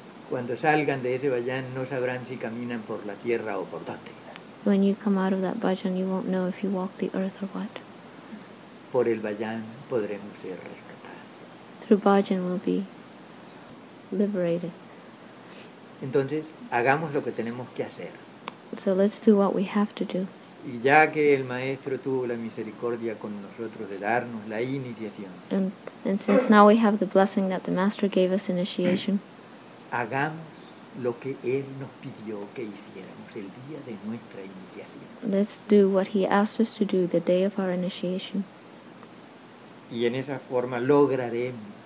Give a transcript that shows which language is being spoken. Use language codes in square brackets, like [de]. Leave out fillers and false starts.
[es] Cuando salgan de ese bhajan no sabrán si caminan por la tierra o por dónde. [en] when you come out of that bhajan, you won't know if you walk the earth or what. [es] Por el bhajan podremos ser rescatados. [en] Through bhajan we'll be liberated. [es] Entonces, hagamos lo que tenemos que hacer. [en] So let's do what we have to do. [es] Y ya que el maestro tuvo la misericordia con nosotros de darnos la iniciación. [en] And since now we have the blessing that the master gave us initiation. [es] Hagamos lo que él nos pidió que hiciéramos el día de nuestra iniciación. [en] Let's do what he asked us to do the day of our initiation. [es] Y en esa forma lograremos.